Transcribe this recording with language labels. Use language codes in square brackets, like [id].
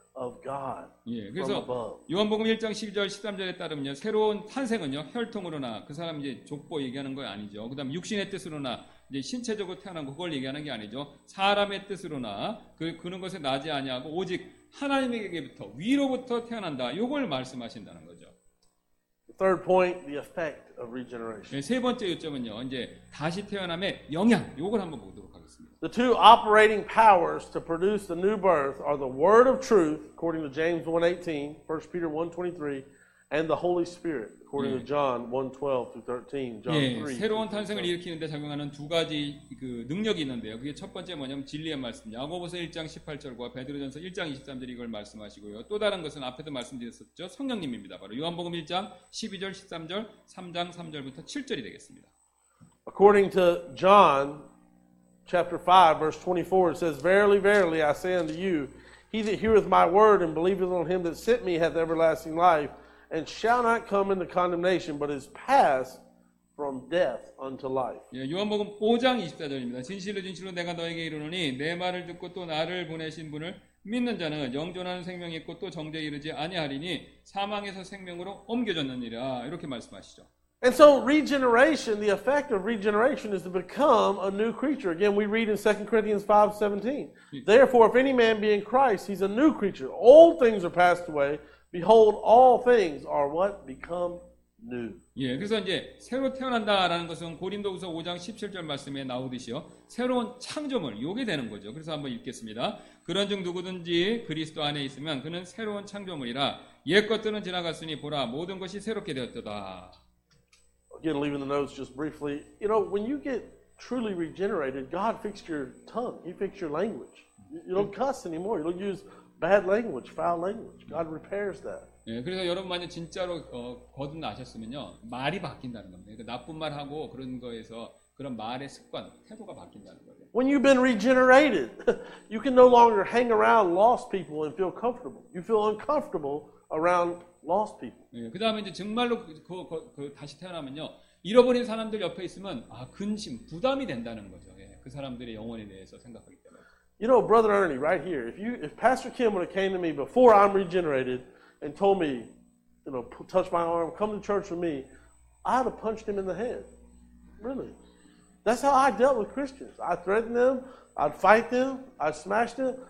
[en] Of God. [ko] 예, 그래서 [en] from above. [ko] 요한복음 1장 12절 13절에 따르면요, 새로운 탄생은요, 혈통으로나 그 사람 이제 족보 얘기하는 거 아니죠. 그다음 육신의 뜻으로나 이제 신체적으로 태어난 그걸 얘기하는 게 아니죠. 사람의 뜻으로나 그런 것에 나지 아니하고 오직 하나님에게부터 위로부터 태어난다. 요걸 말씀하신다는 거죠. [en] Third point, the effect of regeneration. [ko] 세 번째 요점은요. 이제 다시 태어남의 영향. 요걸 한번 보도록 하겠습니다. [en] The two operating powers to produce the new birth are the word of truth according to James 1:18, 1 Peter 1:23 and the Holy Spirit according to John 1:12-13, John 3. [ko] 새로운 탄생을 일으키는 데 작용하는 두 가지 그 능력이 있는데요. 그게 첫 번째 뭐냐면 진리의 말씀. 야고보서 1장 18절과 베드로전서 1장 23절 이걸 말씀하시고요. 또 다른 것은 앞에도 말씀드렸었죠. 성령님입니다. 바로 요한복음 1장 12절, 13절, 3장 3절부터 7절이 되겠습니다. [en] According to John chapter 5 verse 24 it says verily verily I say unto you he that heareth my word and believeth on him that sent me hath everlasting life. And shall not come into condemnation, but is passed from death unto life. [ko] 예, 요한복음 5장 24절입니다. 진실로 진실로 내가 너에게 이르노니 내 말을 듣고 또 나를 보내신 분을 믿는 자는 영존하는 생명이 있고 또 정죄에 이르지 아니하리니 사망에서 생명으로 옮겨졌느니라. 이렇게 말씀하시죠. [en] And so regeneration, the effect of regeneration is to become a new creature. Again, we read in 2 Corinthians 5:17. Therefore, if any man be in Christ, he's a new creature. Old things are passed away. Behold, all things are what become new. [ko] 예, 그래서 이제 새로 태어난다라는 것은 고린도후서 5장 17절 말씀에 나오듯이요, 새로운 창조물 요게 되는 거죠. 그래서 한번 읽겠습니다. 그런즉 누구든지 그리스도 안에 있으면 그는 새로운 창조물이라 옛 것들은 지나갔으니 보라 모든 것이 새롭게 되었도다. [en] Again, leaving the notes just briefly, you know, when you get truly regenerated, God fixed your tongue. He fixed your language. You don't cuss anymore. You don't use bad language, foul language. God repairs that. [ko] 예, 그래서 여러분 만약 진짜로 거듭나셨으면요, 말이 바뀐다는 겁니다. 그러니까 나쁜 말하고 그런 거에서 그런 말의 습관, 태도가 바뀐다는 거예요. [en] When you've been regenerated, you can no longer hang around lost people and feel comfortable. You feel uncomfortable around lost people. [ko] 예, 그다음에 이제 정말로 그 다시 태어나면요, 잃어버린 사람들 옆에 있으면 아 근심, 부담이 된다는 거죠. 예, 그 사람들의 영혼에 대해서 생각하기 때문에. [en] You know, Brother Ernie, right here, if Pastor Kim would have came to me before I'm regenerated and told me, you know, touch my arm, come to church with me, I'd have punched him in the head. Really. That's how I dealt with Christians. I threatened them, I'd fight them, I'd smash them.